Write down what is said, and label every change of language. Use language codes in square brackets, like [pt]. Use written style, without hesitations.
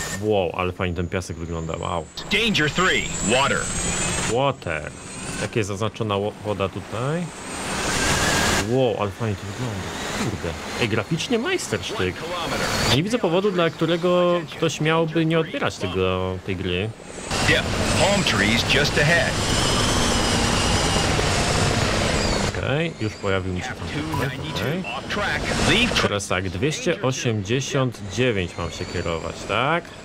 [pl] Wow, ale fajnie ten piasek wygląda, wow. [en] Danger 3, water. Water. [pl] Jak jest zaznaczona woda tutaj? Wow, ale fajnie to wygląda. Kurde. Ej, graficznie majstersztyk. Nie widzę powodu, dla którego ktoś miałby nie odbierać tej gry. [en] Yeah, palm trees just ahead. [pl] Okej, okay, już pojawił mi się tam okay. Teraz tak, 289 mam się kierować, tak?